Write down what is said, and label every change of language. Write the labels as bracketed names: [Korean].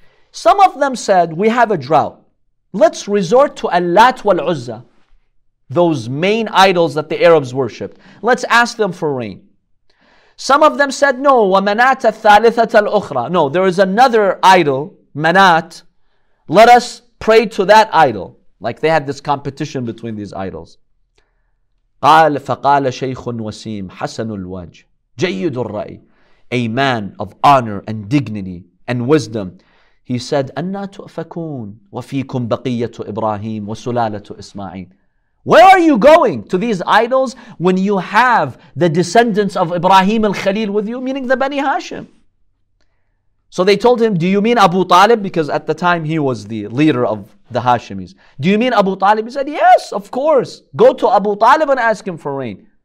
[English] Some of them said, we have a drought. Let's resort to Al-Lat wal-Uzza, those main idols that the Arabs worshipped. Let's ask them for rain. Some of them said, no, [Arabic] وَمَنَاتَ الثَّالِثَةَ الْأُخْرَى. [English] No, there is another idol, Manat. Let us pray to that idol. Like they had this competition between these idols. [Arabic] قال فقال شيخ وسيم حسن الوجه جيد الرأي, [English] a man of honor and dignity and wisdom. He said, [Arabic] أنا تؤفكون وفيكم بقية إبراهيم وسلالة إسماعيل. [English] Where are you going to these idols when you have the descendants of Ibrahim al-Khalil with you, meaning the Bani Hashim? So they told him, do you mean Abu Talib? Because at the time he was the leader of the Hashimis. Do you mean Abu Talib? He said, yes, of course. Go to Abu Talib and ask him for rain.